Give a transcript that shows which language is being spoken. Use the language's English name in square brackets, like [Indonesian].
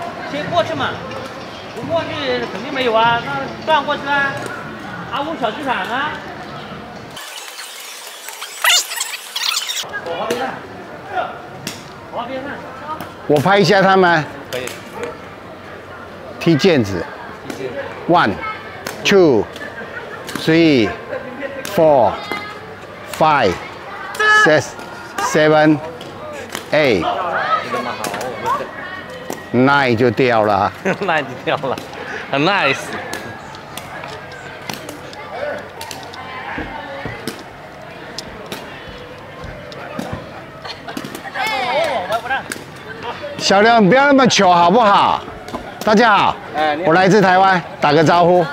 [Chinese] 先过去嘛，不过去肯定没有啊，那转过去啊，阿武小剧场啊。我边上，是，我边上，我拍一下他们。可以。踢毽子。 [English] One, two, three, four, five, six, seven, eight. Nine [Chinese] 就掉了。 [English] Nine [Chinese] 就掉了，很 nice。小亮，不要那么糗好不好？大家 好，我来自台湾，打个招呼。